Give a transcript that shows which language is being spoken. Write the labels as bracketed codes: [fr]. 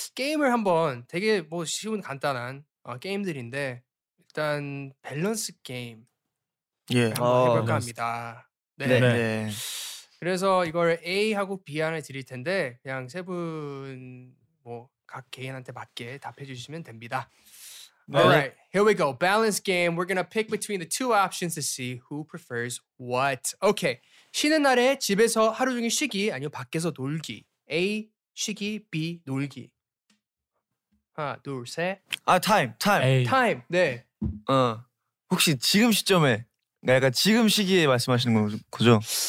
[ko] 게임을 한번 되게 뭐 쉬운 간단한 게임들인데 일단 밸런스 게임 [en] yeah. [ko] 한번 해볼까 합니다. 네. 네. 네. 그래서 이걸 A 하고 B 안을 드릴 텐데 그냥 세 분 뭐 각 개인한테 맞게 답해 주시면 됩니다. [en] 네. Alright, here we go. Balance game. We're gonna pick between the two options to see who prefers what. Okay. [ko] 쉬는 날에 집에서 하루 종일 쉬기 아니면 밖에서 놀기. A 쉬기, B 놀기. 하나, 둘, 셋. [en] 아, time. A. Time. 네. [ko] 혹시 지금 시점에? 약간 지금 시기에 말씀하시는 거죠?